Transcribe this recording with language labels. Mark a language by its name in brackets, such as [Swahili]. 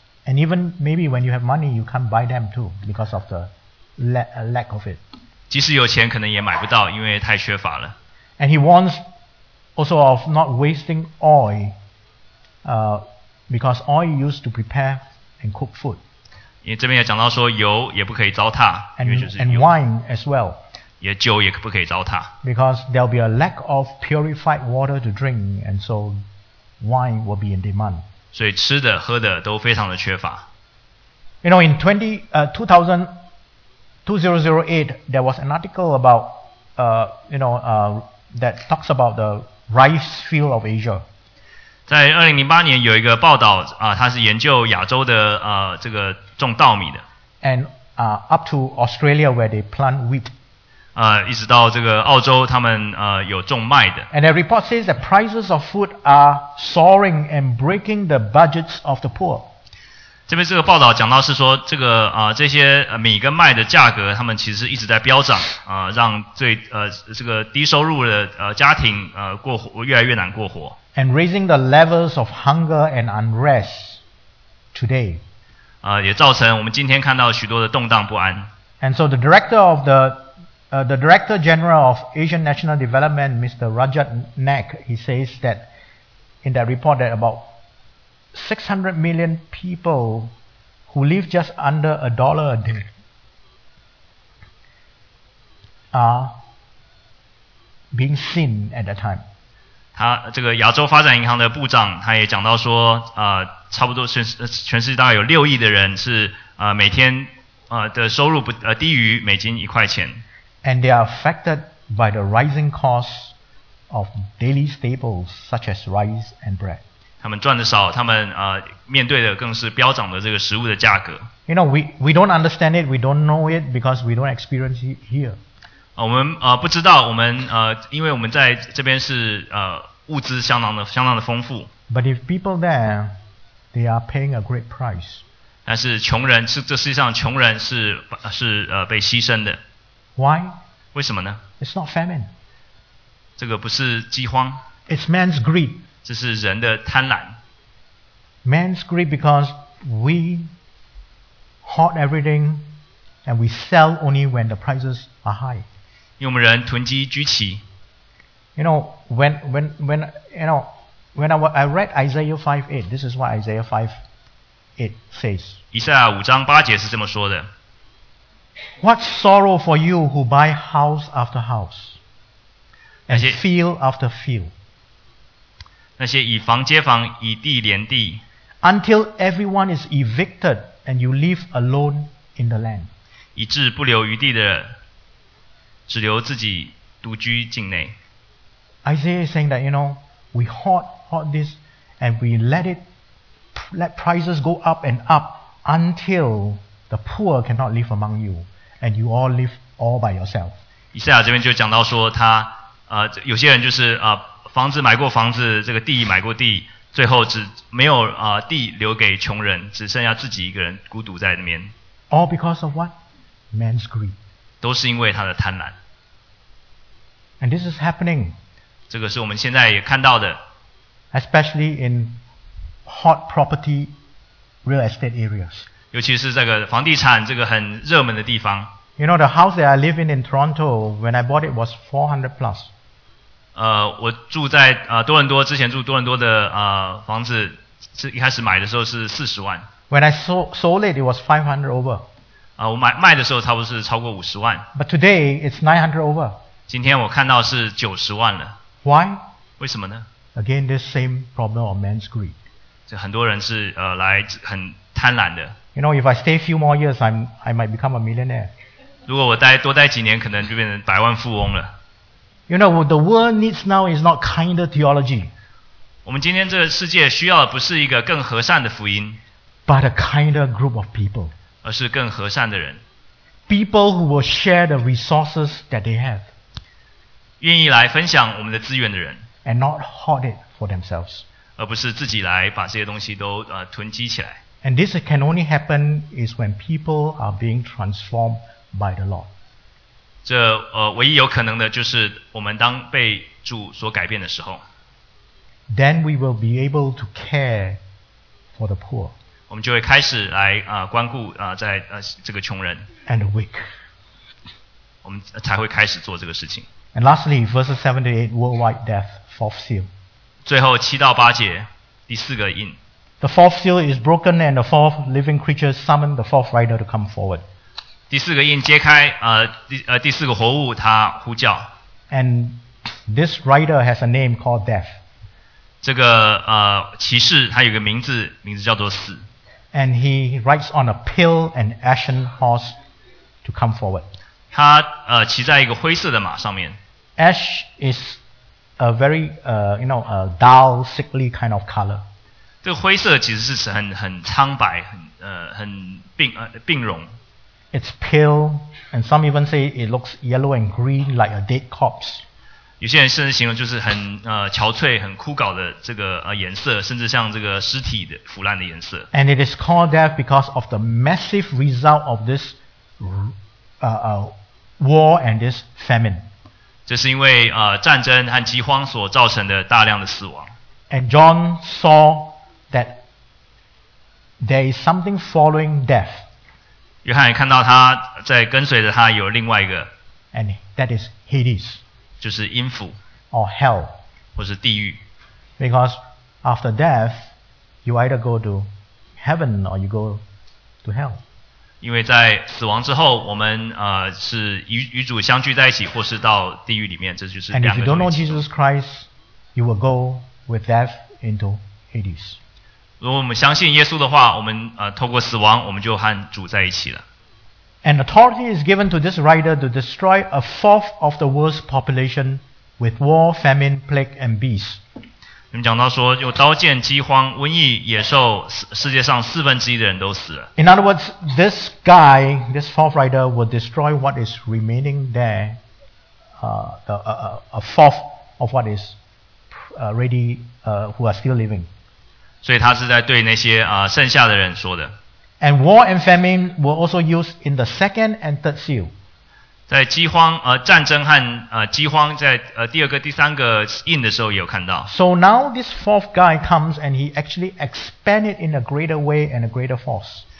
[English] And even maybe when you have money, you can't buy them too because of the lack of it. [Chinese] 即使有钱可能也买不到因为太缺乏了。 [English] And he warns also of not wasting oil, because oil used to prepare and cook food. [Chinese] 因为这边也讲到说油也不可以糟蹋 [English] and wine as well. [Chinese] 也酒也不可以糟蹋 [English] because there'll be a lack of purified water to drink and so wine will be in demand. [Chinese] 所以吃的喝的都非常的缺乏 [English] You know, in 2008, there was an article about, that talks about the rice field of Asia. [Chinese] 在2008年有一个报道他是研究亚洲的这个种稻米的。 [English] And, up to Australia where they plant wheat. [Chinese] 一直到这个澳洲他们有种麦的。 [English] And a report says that prices of food are soaring and breaking the budgets of the poor. [Chinese] 这边这个报道讲到是说这个这些米跟麦的价格他们其实一直在飙涨让最这个低收入的家庭过活越来越难过活。 [English] And raising the levels of hunger and unrest today. [Chinese] 也造成我们今天看到许多的动荡不安。 [English] And so the director of the The Director General of Asian National Development, Mr. Rajat Naik, he says that in that report that about 600 million people who live just under a dollar a day are being seen at that time. [Chinese] 他这个亚洲发展银行的部长他也讲到说差不多全世界大概有六亿的人是每天的收入不低于美金一块钱。 [English] And they are affected by the rising costs of daily staples such as rice and bread. [Chinese] 他们赚的少他们面对的更是飙涨的这个食物的价格。 [English] You know, we don't understand it, we don't know it because we don't experience it here. [Chinese] 我们不知道，我们因为我们在这边是物资相当的丰富。 [English] But if people there, they are paying a great price. [Chinese] 但是穷人是这世界上穷人是被牺牲的。 [English] Why? [Chinese] 为什么呢 [English] ？It's not famine. [Chinese] 这个不是饥荒。 [English] It's man's greed. [Chinese] 这是人的贪婪。 [English] Man's greed because we hoard everything and we sell only when the prices are high. [Chinese] 因为我们人囤积居奇。 [English] You know, when I read Isaiah 5:8, this is what Isaiah 5:8 says. [Chinese] 以赛亚五章八节是这么说的。 [English] What sorrow for you who buy house after house, and field after field. [Chinese] 那些以房接房，以地连地。 [English] Until everyone is evicted and you live alone in the land. [Chinese] 以致不留余地的人。只留自己独居境内。 [English] Isaiah is saying that, you know, we hoard this and we let prices go up and up until the poor cannot live among you and you all live all by yourself. [Chinese] 以赛亚这边就讲到说他有些人就是房子买过房子这个地买过地最后只没有地留给穷人只剩下自己一个人孤独在那边。 [English] All because of what? Man's greed. [Chinese] 都是因为他的贪婪。 [English] And this is happening. [Chinese] 这个是我们现在也看到的。 [English] Especially in hot property real estate areas. [Chinese] 尤其是这个房地产这个很热门的地方。 [English] You know, the house that I live in Toronto, when I bought it was 400 plus. [Chinese] 我住在多伦多之前住多伦多的房子一开始买的时候是40万。 [English] When I sold it, it was 500 over. [Chinese] 我卖的时候差不多是超过50万。 [English] But today, it's 900 over. [Chinese] 今天我看到是90万了。 [English] Why? [Chinese] 为什么呢? [English] Again, this same problem of man's greed. [Chinese] 就很多人是来很贪婪的。 [English] You know, if I stay a few more years, I might become a millionaire. [Chinese] 如果我多待几年可能就变成百万富翁了。 [English] You know, the world needs now is not kinder theology. [Chinese] 我们今天这个世界需要的不是一个更和善的福音。 [English] But a kinder group of people. [Chinese] 而是更和善的人。 [English] People who will share the resources that they have. [Chinese] 愿意来分享我们的资源的人。 [English] And not hoard it for themselves. [Chinese] 而不是自己来把这些东西都囤积起来。 [English] And this can only happen is when people are being transformed by the Lord. [Chinese] 这唯一有可能的就是我们当被主所改变的时候。 [English] Then we will be able to care for the poor. [Chinese] 我们就会开始来关顾在这个穷人 [English] and the weak [Chinese] 我们才会开始做这个事情 [English] and lastly verses 7-8 worldwide death fourth seal [Chinese] 最后七到八节第四个印 [English] the fourth seal is broken and the fourth living creature summoned the fourth rider to come forward [Chinese] 第四个印揭开第四个活物他呼叫 [English] and this rider has a name called death [Chinese] 这个骑士他有个名字叫做死 [English] And he rides on a pale and ashen horse to come forward. [Chinese] 他骑在一个灰色的马上面。 [English] Ash is a very, a dull, sickly kind of color. [Chinese] 这个灰色其实是很苍白，很病容。 [English] It's pale, and some even say it looks yellow and green like a dead corpse. [Chinese] 有些人甚至形容就是很憔悴、很枯槁的这个颜色，甚至像这个尸体的腐烂的颜色。 [English] And it is called death because of the massive result of this war and this famine. [Chinese] 这是因为战争和饥荒所造成的大量的死亡。 [English] And John saw that there is something following death. [Chinese] 约翰看到他在跟随着他有另外一个。 [English] And that is Hades. [Chinese] 就是阴府。 [English] Or hell. [Chinese] 或是地狱。 [English] Because after death, you either go to heaven or you go to hell. [Chinese] 因为在死亡之后，我们是与主相聚在一起，或是到地狱里面，这就是两个。 [English] And if you don't know Jesus Christ, you will go with death into Hades. [Chinese] 如果我们相信耶稣的话，我们透过死亡，我们就和主在一起了。 [English] And authority is given to this writer to destroy a fourth of the world's population with war, famine, plague, and beasts. [Chinese] 我们讲到说，有刀剑、饥荒、瘟疫、野兽，世界上四分之一的人都死了。 [English] In other words, this guy, this fourth rider, will destroy what is remaining there, a fourth of what is already who are still living. [Chinese] 所以他是在对那些剩下的人说的。 [English] And war and famine were also used in the second and third seal. [Chinese] 在饥荒战争和饥荒在第二个第三个印的时候也有看到。 [English] So now this fourth guy comes and he actually expanded in a greater way and a greater force.